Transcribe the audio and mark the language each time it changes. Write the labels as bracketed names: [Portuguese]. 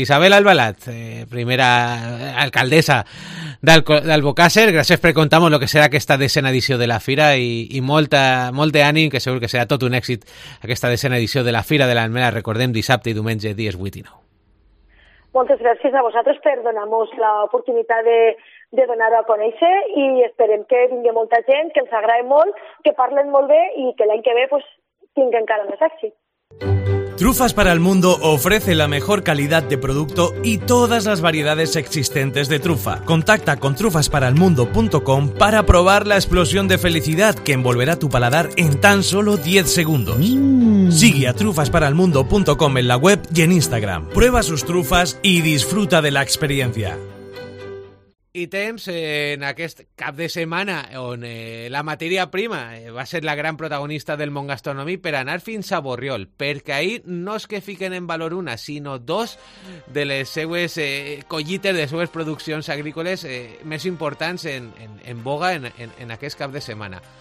[Catalan] Isabel Albalat, primera alcaldessa d'Albocàsser, gràcies per contar-nos el que serà aquesta desena edició de la Fira i molt d'ànim, que segur que serà tot un èxit aquesta desena edició de la Fira de l'Almela, recordem, dissabte i diumenge, dies 8 i 9. Moltes gràcies a vosaltres per donar-nos l'oportunitat de donar-ho a conèixer i esperem que vingui molta gent, que els agradi molt, que parlen molt bé i que l'any que ve pues, tingui encara més èxit. [Spanish] Trufas para el Mundo ofrece la mejor calidad de producto y todas las variedades existentes de trufa. Contacta con trufasparalmundo.com para probar la explosión de felicidad que envolverá tu paladar en tan solo 10 segundos. Sigue a trufasparalmundo.com en la web y en Instagram. Prueba sus trufas y disfruta de la experiencia. [Catalan] I temps en aquest cap de setmana on la matèria prima va ser la gran protagonista del món gastronòmic per anar fins a Borriol, perquè ahir no és que fiquen en valor una, sinó dos de les seues collites, de les seues produccions agrícoles més importants en boga en aquest cap de setmana.